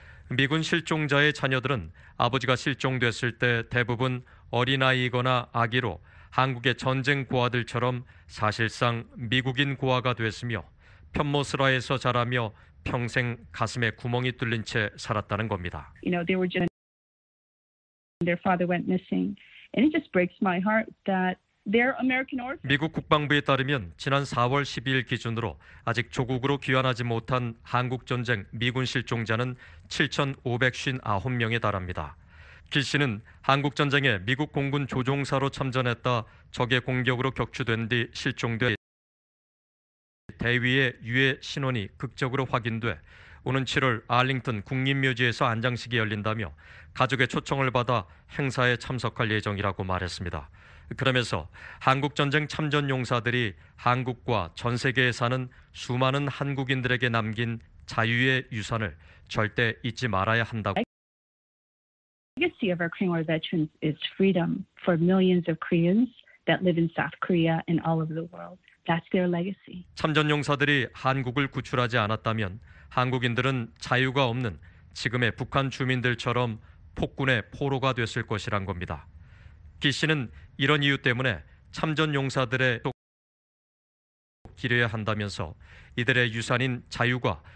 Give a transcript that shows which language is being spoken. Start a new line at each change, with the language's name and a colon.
Korean: 미군 실종자의 자녀들은 아버지가 실종됐을 때 대부분 어린아이이거나 아기로 한국의 전쟁 고아들처럼 사실상 미국인 고아가 됐으며 편모스라에서 자라며 평생 가슴에 구멍이 뚫린 채 살았다는 겁니다.
English: You know, they were just their father went missing and it just breaks my heart that they're American orphans.
Korean: 미국 국방부에 따르면 지난 4월 12일 기준으로 아직 조국으로 귀환하지 못한 한국 전쟁 미군 실종자는 7,559명에 달합니다. 기 씨는 한국전쟁에 미국 공군 조종사로 참전했다 적의 공격으로 격추된 뒤 실종돼 대위의 유해 신원이 극적으로 확인돼 오는 7월 알링턴 국립묘지에서 안장식이 열린다며 가족의 초청을 받아 행사에 참석할 예정이라고 말했습니다. 그러면서 한국전쟁 참전용사들이 한국과 전 세계에 사는 수많은 한국인들에게 남긴 자유의 유산을 절대 잊지 말아야 한다고
English: The legacy of our Korean War veterans is freedom for millions of Koreans that live in South Korea and all over the world. That's their legacy.
Korean: 참전 용사들이 한국을 구출하지 않았다면 한국인들은 자유가 없는 지금의 북한 주민들처럼 폭군의 포로가 됐을 것이란 겁니다. 기 씨는 이런 이유 때문에 참전 용사들의 기려야 한다면서 이들의 유산인 자유가